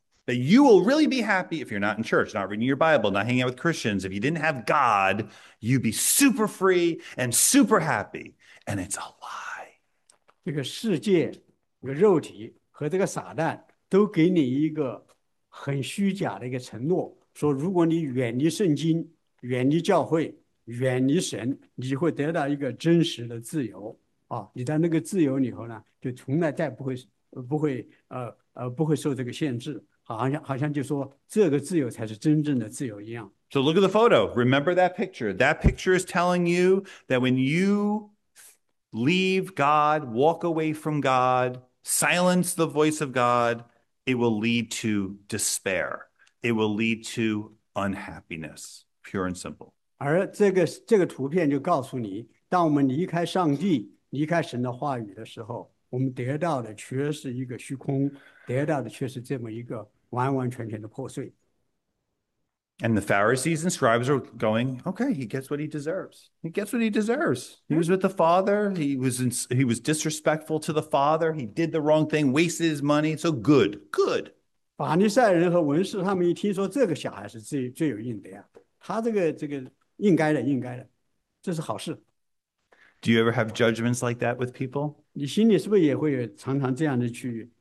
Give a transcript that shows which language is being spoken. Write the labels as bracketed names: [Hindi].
[English] That you will really be happy if you're not in church, not reading your Bible, not hanging out with Christians. If you didn't have God, you'd be super free and super happy. And it's a lie. [Chinese] 这个世界，这个肉体和这个撒旦都给你一个很虚假的一个承诺，说如果你远离圣经、远离教会、远离神，你会得到一个真实的自由啊！你在那个自由里头呢，就从来再不会受这个限制，好像就说这个自由才是真正的自由一样。 [English] So look at the photo. Remember that picture. That picture is telling you that when you leave God, walk away from God, silence the voice of God, it will lead to despair. It will lead to unhappiness, pure and simple. [Chinese] 而这个图片就告诉你，当我们离开上帝、离开神的话语的时候，我们得到的却是一个虚空，得到的却是这么一个完完全全的破碎。 [English] And the Pharisees and scribes are going, okay, he gets what he deserves. He gets what he deserves. He was with the father. He was disrespectful to the father. He did the wrong thing, wasted his money. So good, good. [Chinese] 法利赛人和文士他们一听说这个小孩是罪有应得呀，他这个。应该的，应该的，这是好事。 [English] Do you ever have judgments like that with people? [Chinese] 你心里是不是也会常常这样的去